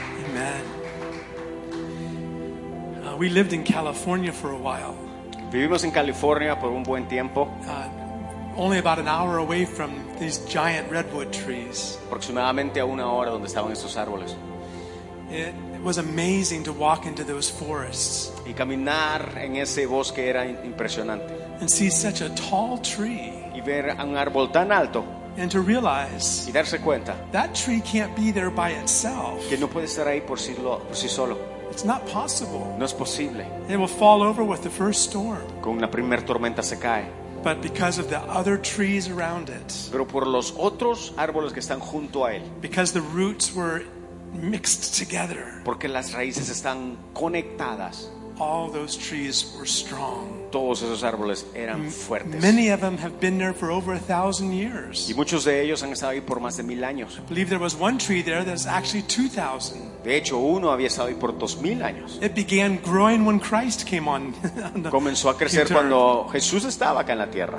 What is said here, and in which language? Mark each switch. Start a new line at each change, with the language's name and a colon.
English: Amen. We lived in California for a while.
Spanish: Vivimos en California por un buen tiempo.
English: Only about an hour away from these giant redwood trees.
Spanish: Aproximadamente a una hora donde estaban estos árboles.
English: It was amazing to walk into those forests.
Spanish: Y caminar en ese bosque era impresionante.
English: And see such a tall tree.
Spanish: Y ver un árbol tan alto.
English: And to realize.
Spanish: Y darse cuenta.
English: That tree can't be there by itself.
Spanish: Que no puede estar ahí por sí solo.
English: It's not possible.
Spanish: No es posible.
English: It will fall over with the first storm.
Spanish: Con la primera tormenta se cae.
English: But because of the other trees around it.
Spanish: Pero por los otros árboles que están junto a él.
English: Because the roots were mixed together.
Spanish: Porque las raíces están conectadas.
English: All those trees were strong.
Spanish: Todos esos árboles eran fuertes.
English: Many of them have been there for over 1,000 years.
Spanish: Y muchos de ellos han estado ahí por más de 1,000 años.
English: I believe there was one tree there that's actually 2,000.
Spanish: De hecho, uno había estado ahí por 2,000 años.
English: It began growing when Christ came on.
Spanish: Comenzó a crecer cuando Jesús estaba acá en la tierra.